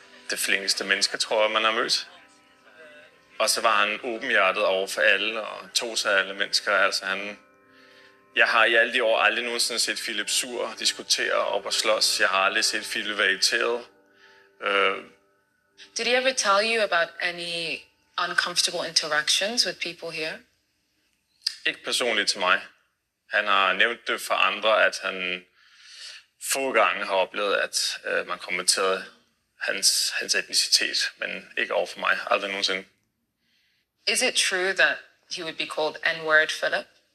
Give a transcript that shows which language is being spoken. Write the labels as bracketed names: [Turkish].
[Danish] Det flinkeste mennesker, tror jeg, man har mødt. Og så var han åbenhjertet over for alle, og tog sig af alle mennesker. Altså han... Jeg har i alle de år aldrig nogensinde set Philip sur, diskutere op og slås. Jeg har aldrig set Philip være irriteret. [English] Did he ever tell you about any uncomfortable interactions with people here? [Danish] Ikke personligt til mig. Han har nævnt det for andre, at han få gange har oplevet, at man kommenterede hans etnicitet, men ikke over for mig, aldrig nogensinde. [English] Is it true that he would be called N-word Philip?